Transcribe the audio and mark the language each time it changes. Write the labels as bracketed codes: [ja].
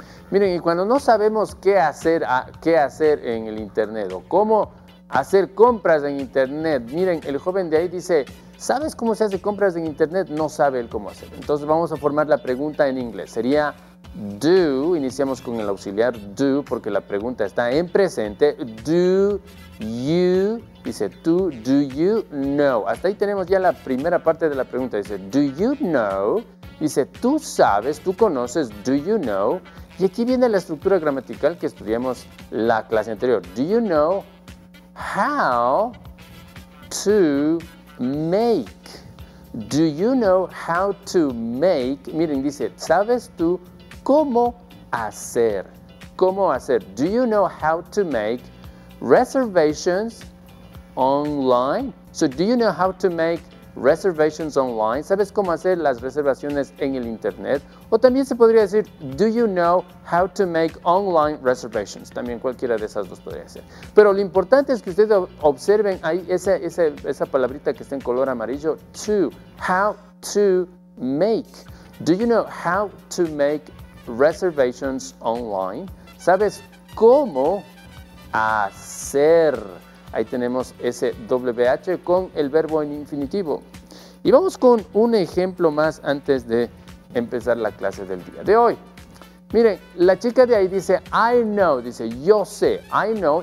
[es] Miren, y cuando no sabemos qué hacer en el internet o cómo hacer compras en internet, miren, el joven de ahí dice, ¿sabes cómo se hace compras en internet? No sabe él cómo hacer. Entonces vamos a formar la pregunta en inglés. Sería do, iniciamos con el auxiliar do porque la pregunta está en presente. [en] Do you, [es] dice tú, [en] do you know. [es] Hasta ahí tenemos ya la primera parte de la pregunta. [en] Dice, do you know, [es] dice tú sabes, tú conoces, [en] do you know. [es] Y aquí viene la estructura gramatical que estudiamos la clase anterior. [en] Do you know how to make? Do you know how to make? [es] Miren, dice, ¿sabes tú cómo hacer? ¿Cómo hacer? [en] Do you know how to make reservations online? So, do you know how to make reservations online? [es] ¿Sabes cómo hacer las reservaciones en el internet? O también se podría decir, [en] do you know how to make online reservations? [es] También cualquiera de esas dos podría ser. Pero lo importante es que ustedes observen ahí esa palabrita que está en color amarillo, to, [en] how to make. Do you know how to make reservations online? [es] ¿Sabes cómo hacer? Ahí tenemos ese WH con el verbo en infinitivo. Y vamos con un ejemplo más antes de empezar la clase del día de hoy. Miren, la chica de ahí dice, [en] I know, [es] dice, yo sé, I know.